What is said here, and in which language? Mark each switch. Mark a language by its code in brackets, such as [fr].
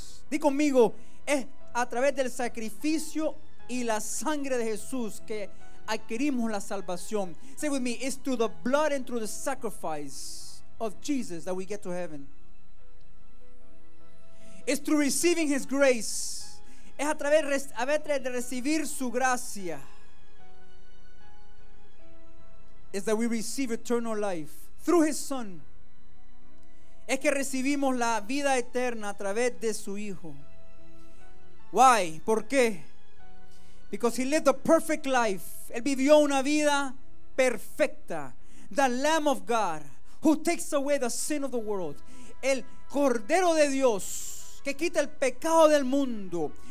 [es] Di conmigo, es a través del sacrificio y la sangre de Jesús que adquirimos la salvación. [en] Say with me, it's through the blood and through the sacrifice of Jesus that we get to heaven. It's through receiving his grace. [es] Es a través de recibir su gracia. [en] Is that we receive eternal life through his son. [es] Es que recibimos la vida eterna a través de su hijo. [en] Why? [es] ¿Por qué? [en] Because he lived a perfect life. [es] Él vivió una vida perfecta. [en] The Lamb of God who takes away the sin of the world. [es] El Cordero de Dios que quita el pecado del mundo.